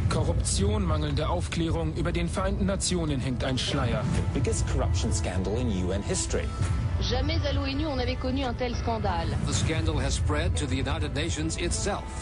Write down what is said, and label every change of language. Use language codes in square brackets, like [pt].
[de] Korruption, mangelnde Aufklärung, über den Vereinten Nationen hängt ein Schleier. [en] The biggest corruption scandal in UN history. [fr] Jamais à l'ONU on avait connu un tel scandale. [en] The scandal has spread to the United Nations itself.